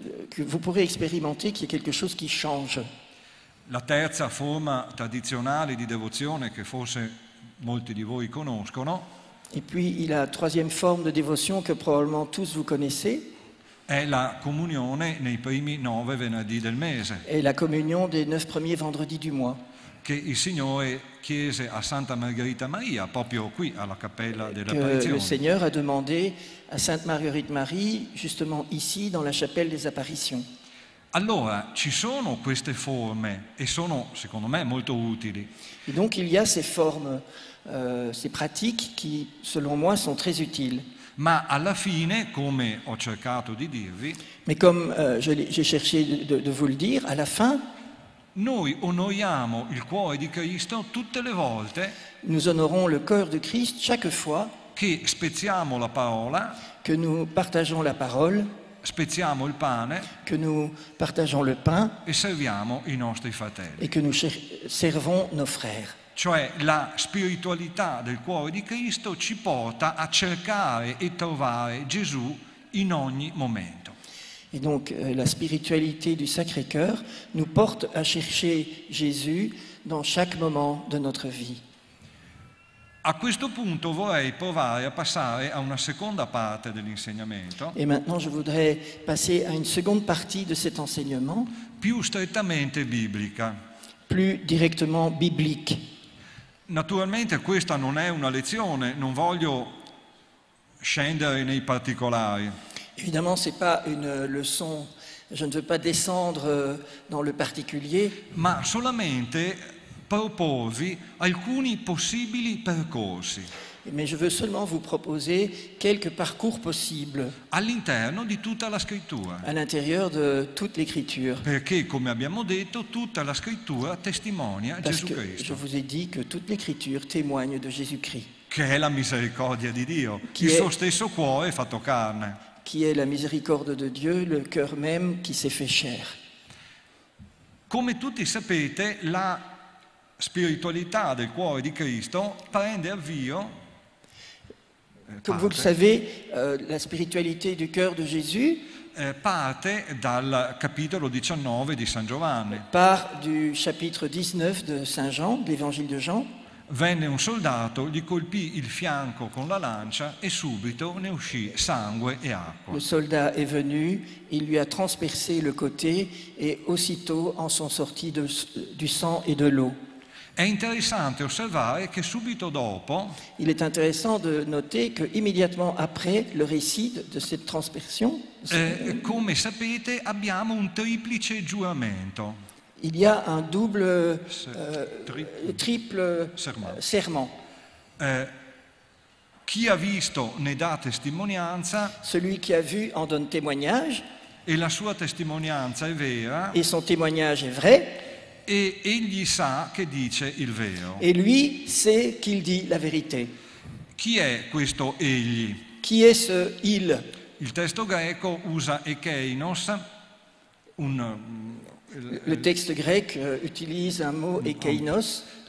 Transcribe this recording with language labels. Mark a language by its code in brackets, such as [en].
[it] Che [fr] vous pourrez expérimenter qu'il y a quelque chose qui change. [it] La terza forma tradizionale di devozione che forse molti di voi conoscono. [fr] Et puis il y a la troisième forme de dévotion que probablement tous vous connaissez. [it] È la comunione nei primi nove venerdì del mese. È [fr] la communion des neuf premiers vendredis du mois. [it] Che il Signore chiese a Santa Margherita Maria proprio qui alla cappella dell'Apparizione. [fr] Que le Seigneur a demandé à Sainte Marguerite Marie justement ici dans la chapelle des apparitions. [it] Allora ci sono queste forme e sono secondo me molto utili. [fr] Et donc il y a ces formes, ces pratiques qui selon moi sont très utiles. [it] Ma alla fine, come ho cercato di dirvi, [fr] mais comme j'ai cherché de vous le dire, à la fin, [it] noi onoriamo il cuore di Cristo tutte le volte. [fr] Nous honorons le cœur de Christ chaque fois. [it] Che spezziamo la parola. [fr] Que nous partageons la parole. [it] Spezziamo il pane. [fr] Que nous partageons le pain. [it] E serviamo i nostri fratelli. [fr] Et que nous servons nos frères. [it] Cioè la spiritualità del cuore di Cristo ci porta a cercare e trovare Gesù in ogni momento. [fr] Et donc la spiritualité du Sacré-Cœur nous porte à chercher Jésus dans chaque moment de notre vie. [it] A questo punto vorrei provare a passare a una seconda parte dell'insegnamento. [fr] Et maintenant je voudrais passer à une seconde partie de cet enseignement. [it] Più strettamente biblica. [fr] Plus directement biblique. [it] Naturalmente questa non è una lezione, non voglio scendere nei particolari. [fr] Évidemment, c'est pas une leçon, je ne veux pas descendre dans le particulier. [it] Ma solamente proporvi alcuni possibili percorsi. [fr] Mais je veux seulement vous proposer quelques parcours possibles. [it] All'interno di tutta la scrittura. [fr] À l'intérieur de toute l'écriture. [it] Perché, come abbiamo detto, tutta la scrittura testimonia Gesù Cristo. [fr] Je vous ai dit que toute l'écriture témoigne de Jésus-Christ. [it] Che è la misericordia di Dio. Il suo stesso cuore è fatto carne. [fr] Qui est la miséricorde de Dieu, le cœur même qui s'est fait chair. [it] Come tutti sapete, la spiritualità del cuore di Cristo prende avvio. [fr] Comme vous le savez, la spiritualité du cœur de Jésus [it] parte dal capitolo 19 di San Giovanni. [fr] Part du chapitre 19 de Saint Jean, de l'Évangile de Jean. [it] Venne un soldato, gli colpì il fianco con la lancia e subito ne uscì sangue e acqua. [fr] Le soldat est venu, il lui a transpercé le côté et aussitôt en sont sortis du sang et de l'eau. [it] È interessante osservare che subito dopo. [fr] Il est intéressant de noter que immédiatement après le récit de cette transpersion. [it] Come sapete, abbiamo un triplice giuramento. [fr] Il y a un double. Triple. Serment. [it] Chi ha visto ne dà testimonianza. [fr] Celui qui a vu en donne témoignage. [it] E la sua testimonianza è vera. [fr] Et son témoignage est vrai. [it] E egli sa che dice il vero. [fr] Et lui sait qu'il dit la vérité. [it] Chi è questo egli? Chi è [fr] ce il? [it] Il testo greco usa ekeinos, un. [fr] Le texte grec utilise un mot ekeinos.